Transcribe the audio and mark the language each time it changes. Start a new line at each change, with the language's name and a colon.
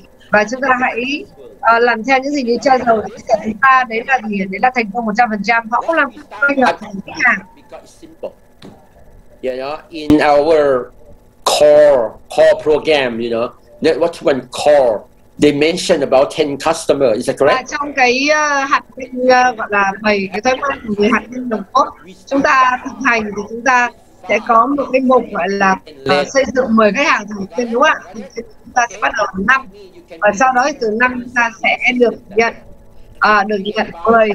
Vietnamese: Và chúng ta hãy làm theo những gì như cha giàu chia sẻ chúng ta, đấy là gì? Đấy là thành công 100%. Họ không làm kinh doanh, họ thành khách hàng.
English: You know, in our core program, you know, what one core, they mentioned about 10 customers, is that correct?
Vietnamese: Trong cái hạt nhân gọi là 7 cái thói quen của người hạt nhân đồng cốt, chúng ta thực hành thì chúng ta sẽ có một cái mục gọi là xây dựng 10 khách hàng thường xuyên, đúng không ạ? Chúng ta sẽ bắt đầu từ 5, và sau đó từ 5 chúng ta sẽ được nhận 10.